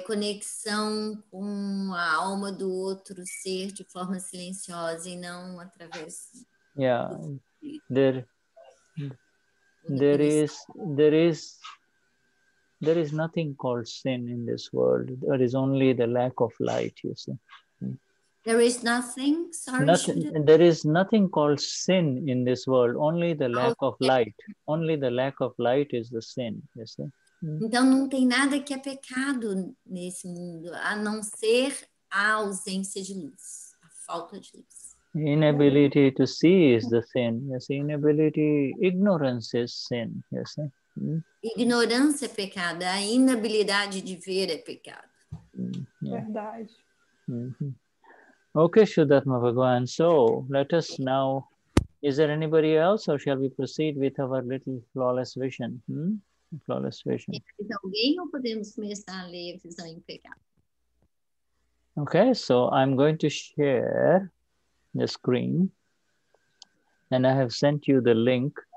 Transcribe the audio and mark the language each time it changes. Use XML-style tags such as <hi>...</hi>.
<pt>Conexão com a alma do outro ser de forma silenciosa e não através.</pt> <en>Yeah, there is nothing called sin in this world. There is only the lack of light, you see. There is nothing, sorry? There is nothing called sin in this world, only the lack of light. Only the lack of light is the sin, you see.</en> <pt>Então não tem nada que é pecado nesse mundo, a não ser a ausência de luz, a falta de luz.</pt> <en>Inability to see is the sin. Yes, inability, ignorance is sin. Yes.</en> <pt>Ignorância é pecado. A inabilidade de ver é pecado. Verdade.</pt> <en>Mm-hmm. Okay, Shuddhatma Bhagavan. So let us now. Is there anybody else, or shall we proceed with our little flawless vision? Flawless vision.</en> <pt>Alguém ou podemos começar a ler a visão em pecado?</pt> <en>Okay, so I'm going to share the screen, and I have sent you the link.</en>